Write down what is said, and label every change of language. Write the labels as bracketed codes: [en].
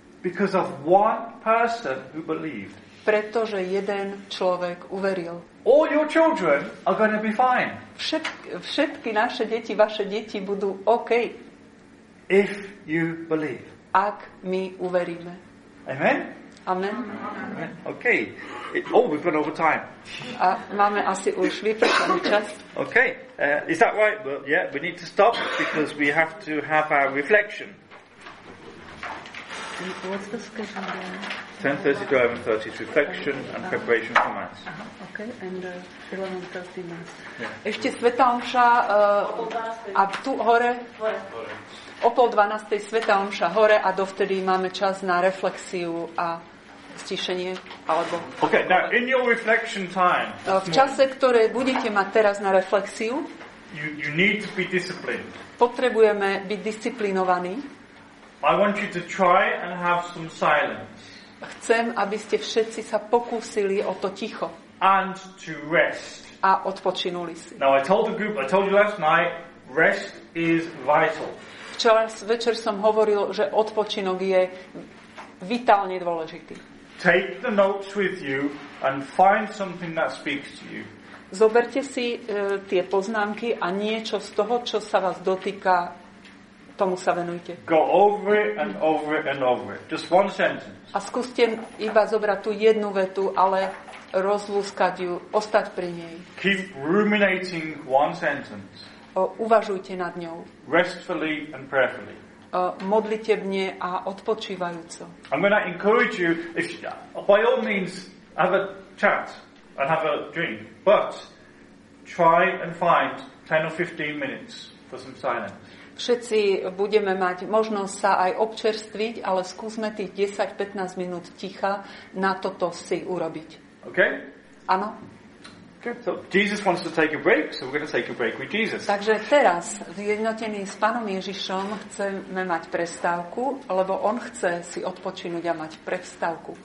[en] Because of one person who believed. [sk] Pretože jeden človek uveril. [en] All your children are going to be fine. [sk] Všetky naše deti, vaše deti budú OK. [en] If you believe. [sk] Ak my uveríme. [en] Amen? [sk] Amen. [en] OK. We've gone over time. [sk] A máme asi už vypršaný čas. [en] OK. Is that right? Well, yeah, we need to stop because we have to have our reflection. What's the schedule then? 10:30 to 11:30 is reflection and preparation for mass. Okay. [sk] Ešte Sveta Omša a tu hore? Hore. O pol dvanástej Sveta Omša hore a dovtedy máme čas na reflexiu a stišenie. Alebo... [en] Okay, now in your reflection time, [sk] v čase, ktoré budete mať teraz na reflexiu, [en] you need to be disciplined. [sk] Potrebujeme byť disciplinovaní. [en] I want you to try and have some silence. [sk] Chcem, aby ste všetci sa pokúsili o to ticho. [en] And to rest. [sk] A odpočinuli si. [en] Now I told the group, I told you last night, rest is vital. [sk] Včera večer som hovoril, že odpočinok je vitálne dôležitý. [en] Take the notes with you and find something that speaks to you. [sk] Zoberte si tie poznámky a niečo z toho, čo sa vás dotýka, tomu sa venujte. [en] Go over it and over it and over it. Just one sentence. [sk] A skúste iba zobrať tú jednu vetu, ale rozlúskať ju, ostať pri nej. [en] Keep ruminating one sentence. [sk] Uvažujte nad ňou. [en] Restfully and prayerfully. [sk] Modlitebne a odpočívajúco. [en] I'm going to encourage you, if, by all means, have a chat and have a drink, but try and find 10 or 15 minutes for some silence. [sk] Všetci budeme mať možnosť sa aj občerstviť, ale skúsme tých 10-15 minút ticha na toto si urobiť. [en] Okay? [sk] Áno. [en] Okay. So Jesus wants to take a break, so we're going to take a break with Jesus. [sk] Takže teraz zjednotený s Pánom Ježišom chceme mať prestávku, lebo on chce si odpočinúť a mať prestávku.